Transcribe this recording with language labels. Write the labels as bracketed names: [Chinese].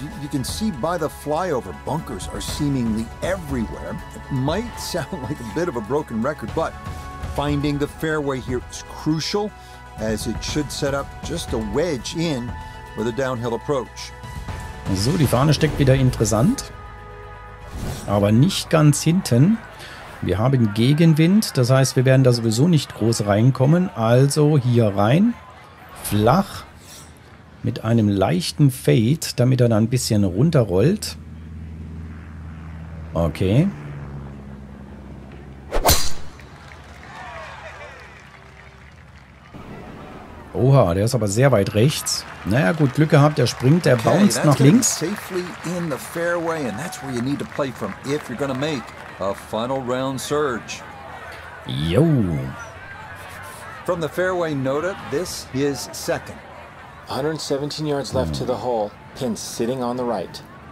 [English] You can see by the flyover, bunkers are seemingly everywhere. It might sound like a bit of a broken record, but finding the fairway here is crucial, as it should set up just a wedge in with a downhill approach. [German] So, die Fahne steckt wieder interessant, aber nicht ganz hinten. Wir haben Gegenwind, das heißt, wir werden da sowieso nicht groß reinkommen. Also hier rein, flach, mit einem leichten Fade, damit er dann ein bisschen runterrollt. Okay. Oha, der ist aber sehr weit rechts. Naja, gut, Glück gehabt, der springt, der bounced nach links. [English] Safely in the fairway, and that's where you need to play from if you're gonna make a final round surge. Yo. From the fairway, Noda, this is second. 117 yards left to the hole, pin sitting on the right.